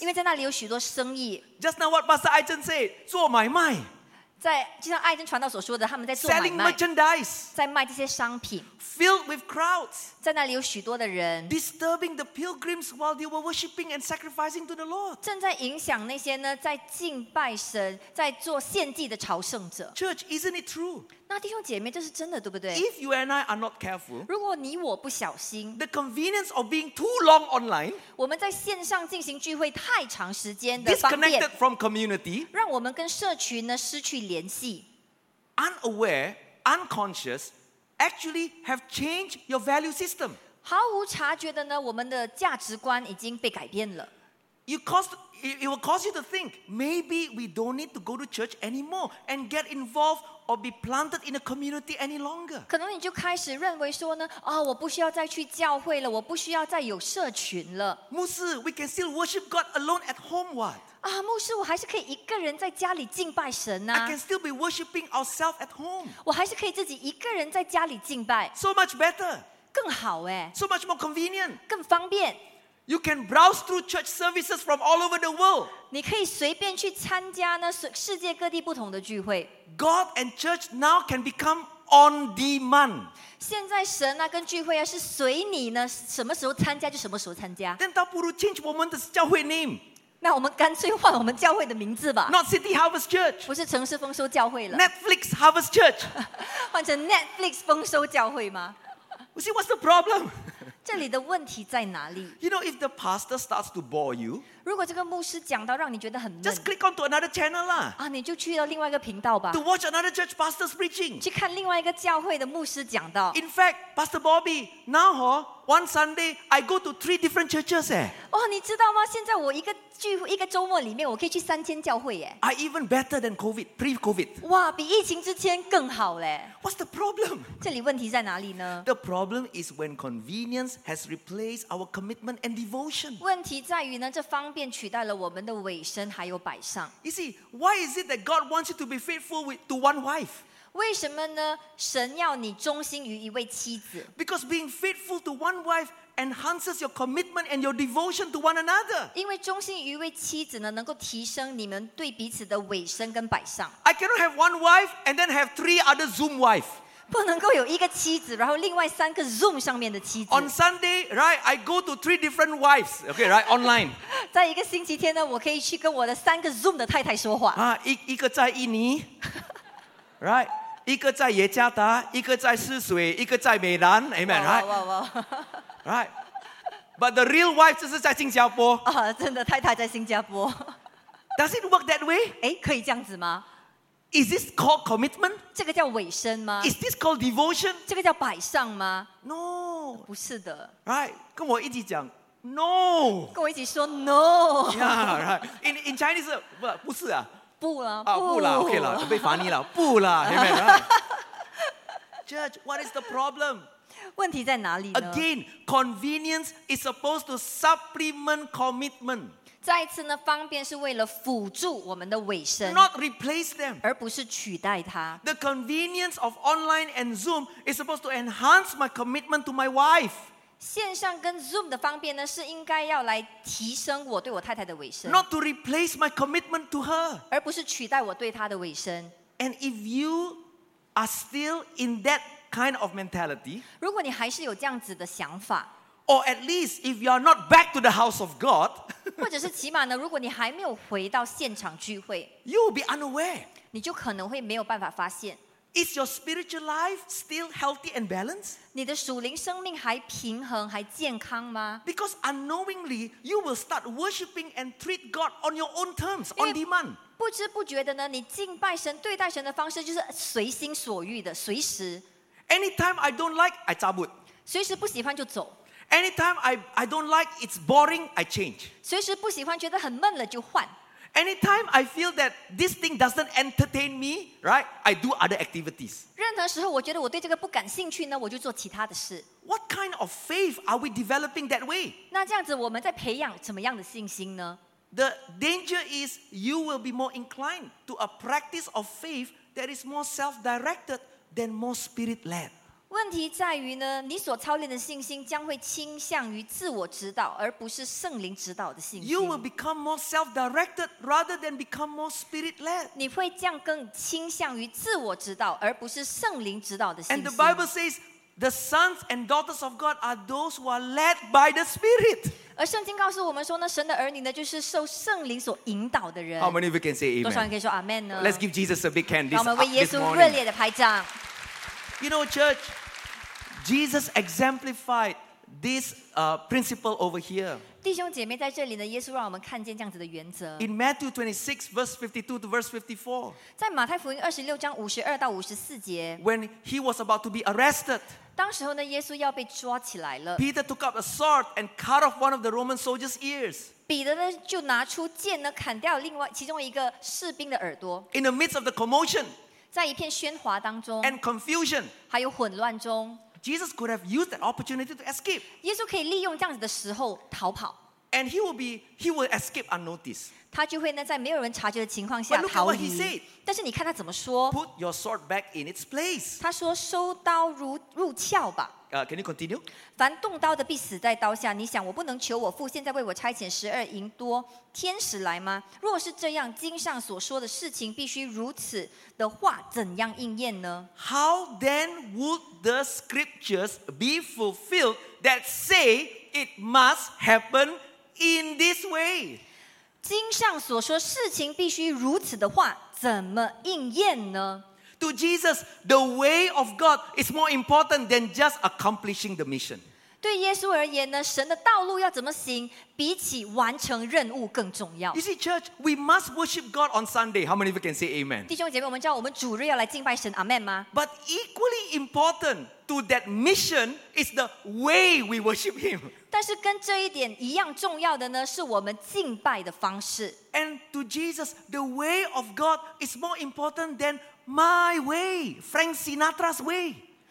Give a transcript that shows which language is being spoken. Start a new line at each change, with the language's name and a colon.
Chinese: 因为在那里有许多生意。
English: Just now what Pastor Aizen said,
Chinese: 做买卖。在就像爱珍传道所说的，他们在做买卖。
English: Selling merchandise.
Chinese: 在卖这些商品。
English: Filled with crowds.
Chinese: 在那里有许多的人。
English: Disturbing the pilgrims while they were worshiping and sacrificing to the Lord.
Chinese: 正在影响那些呢在敬拜神、在做献祭的朝圣者。
English: Church, isn't it true?
Chinese: 那弟兄姐妹，这是真的，对不对？
English: If you and I are not careful,
Chinese: 如果你我不小心，
English: the convenience of being too long online,
Chinese: 我们在线上进行聚会太长时间的
English: 方便， disconnected from community,
Chinese: 让我们跟社群呢失去联系。
English: Unaware, unconscious. Actually, have changed your value system.
Chinese: 毫无察觉的呢，我们的价值观已经被改变了。
English: It will cause you to think maybe we don't need to go to church anymore and get involved or be planted in a community any longer.
Chinese: 可能你就开始认为说呢，啊，我不需要再去教会了，我不需要再有社群了。
English: 牧师 ，we can still worship God alone at home, what?
Chinese: 啊，牧师，我还是可以一个人在家里敬拜神呐、啊。
English: I can still be worshiping ourselves at home.
Chinese: 我还是可以自己一个人在家里敬拜。
English: So much better.
Chinese: 更好哎。
English: So much more convenient.
Chinese: 更方便。
English: You can browse through church services from all over the world.
Chinese: 你可以随便去参加呢世界各地不同的聚会。
English: God and church now can become on demand.
Chinese: 现在神呐、啊、跟聚会啊是随你呢什么时候参加就什么时候参加。 Then 倒不如 change 我们的教会 name. 那我们干脆换我们教会的名字吧。
English: Not City Harvest Church，
Chinese: 不是城市丰收教会了。
English: Netflix Harvest Church，
Chinese: 换成 Netflix 丰收教会吗
English: ？You see what's the problem？
Chinese: 这里的问题在哪里
English: ？You know if the pastor starts to bore you，
Chinese: 如果这个牧师讲到让你觉得很闷
English: ，just click onto another channel 啦。
Chinese: 啊，你就去到另外一个频道吧。
English: To watch another church pastor's preaching，
Chinese: 去看另外一个教会的牧师讲到。
English: In fact， Pastor Bobby， now hor, one Sunday I go to three different churches 哎。
Chinese: 哦，你知道吗？现在我一个。一个周末里面我可以去三间教会耶。
English: I even better than COVID, pre-COVID.
Chinese: 哇，比疫情之前更好嘞。
English: What's the problem?
Chinese: 这里问题在哪里呢？
English: The problem is when convenience has replaced our commitment and devotion.
Chinese: 问题在于呢，这方便取代了我们的委身还有摆上。
English: You see, why is it that God wants you to be faithful to one wife?
Chinese: 为什么呢？神要你忠心于一位妻子。
English: Because being faithful to one wife,enhances your commitment and your devotion to one another.
Chinese: 因为忠心于一位妻子呢，能够提升你们对彼此的委身跟摆上。
English: I cannot have one wife and then have three other Zoom wives.
Chinese: 不能够有一个妻子，然后另外三个 Zoom 上面的妻子。
English: On Sunday, right, I go to three different wives. Okay, right, online.
Chinese: 在一个星期天呢，我可以去跟我的三个 Zoom 的太太说话。啊，一个在印尼，right, 一个在耶加达，一个在泗水，一个在美兰 ，Amen， right？哇哇哇
English: ！Right，but the real wife
Chinese: 就是在新加坡啊， 真的太太在新加坡。
English: Does it work that way？
Chinese: 哎，可以这样子吗
English: ？Is this called commitment？
Chinese: 这个叫委身吗
English: ？Is this called devotion？
Chinese: 这个叫摆上吗
English: ？No，
Chinese: 不是的。 Right， 跟我一起讲 ，No，跟我一起说 No。
English: Yeah， right。 In Chinese，
Chinese: 不是啊。不啦，不啦 ，OK 啦，被罚你了，不啦，明白吗 ？
English: Judge, what is the problem？
Chinese: 问题在哪里呢
English: ？Again, convenience is supposed to supplement commitment。
Chinese: 再一次呢，方便是为了辅助我们的委身
English: ，not replace them，
Chinese: 而不是取代它。
English: The convenience of online and Zoom is supposed to enhance my commitment to my wife。
Chinese: 线上跟 Zoom 的方便呢，是应该要来提升我对我太太的委身
English: ，not to replace my commitment to her，
Chinese: 而不是取代我对她的委身。
English: And if you are still in that kind of mentality，
Chinese: 如果你还是有这样子的想法
English: ，or at least if you are not back to the house of God，
Chinese: 或者是起码呢，如果你还没有回到现场聚会
English: ，you will be unaware，
Chinese: 你就可能会没有办法发现。
English: Is your spiritual life still healthy and balanced?
Chinese: 你的属灵生命还平衡还健康吗
English: ？Because unknowingly you will start worshiping and treat God on your own terms, on demand.
Chinese: 不知不觉的呢，你敬拜神、对待神的方式就是随心所欲的，随时。
English: Anytime I don't like, I 扎布。
Chinese: 随时不喜欢就走。
English: Anytime I don't like, it's boring, I change.
Chinese: 随时不喜欢觉得很闷了就换。
English: Anytime I feel that this thing doesn't entertain me, right? I do other activities.
Chinese: 任何时候我觉得我对这个不感兴趣呢，我就做其他的事。
English: What kind of faith are we developing that way?
Chinese: 那这样子我们在培养怎么样的信心呢？
English: The danger is you will be more inclined to a practice of faith that is more self-directed than more spirit-led.
Chinese: 问题在于呢，你所操练的信心将会倾向于自我指导，而不是圣灵指导的信心。
English: You will become more self-directed rather than become more spirit-led.
Chinese: 你会将更倾向于自我指导，而不是圣灵指导的信心。
English: And the Bible says, the sons and daughters of God are those who are led by the Spirit.
Chinese: 而圣经告诉我们说呢，神的儿女呢，就是受圣灵所引导的人。
English: How many of you can say Amen?
Chinese: 多少人可以说 Amen 呢
English: ？Let's give Jesus a big hand.
Chinese: 让我们为耶稣热烈的拍掌。
English: You know, church, Jesus exemplified this principle over here.
Chinese: 弟兄姐妹在这里呢，耶稣让我们看见这样子的原则。
English: In Matthew 26, verse 52 to verse 54.
Chinese: 在马太福音26章52到54节。
English: When he was about to be arrested.
Chinese: 当时候呢，耶稣要被抓起来了。
English: Peter took up a sword and cut off one of the Roman soldiers' ears.
Chinese: 彼得呢，就拿出剑呢，砍掉另外其中一个士兵的耳朵。
English: In the midst of the commotion.
Chinese: 在一片喧哗当中
English: and confusion,
Chinese: 还有混乱中
English: Jesus could have used that opportunity to escape.
Chinese: 耶稣可以利用这样子的时候逃跑
English: And he will escape unnoticed.
Chinese: 他就会呢在没有人察觉的情况下逃离
English: But look what he said.
Chinese: 但是你看他怎么说
English: Put your sword back in its place.
Chinese: 他说收刀入鞘吧
English: Can you continue?
Chinese: 凡动刀的必死在刀下你想我不能求我父现在为我差遣十二营多天使来吗若是这样经上所说的事情必须如此的话怎样应验呢
English: How then would the scriptures be fulfilled that say it must happen in this way
Chinese: 经上所说事情必须如此的话怎么应验呢
English: To Jesus the way of God is more important than just accomplishing the mission
Chinese: 对耶稣而言呢，神的道路要怎么行，比起完成任务更重要。
English: You see, church, we must worship God on Sunday. How many of you can say Amen?
Chinese: 弟兄姐妹，我们知道我们主日要来敬拜神 ，Amen 吗
English: ？But equally important to that mission is the way we worship Him.
Chinese: 但是跟这一点一样重要的呢，是我们敬拜的方式。
English: And to Jesus, the way of God is more important than my way, Frank Sinatra's way.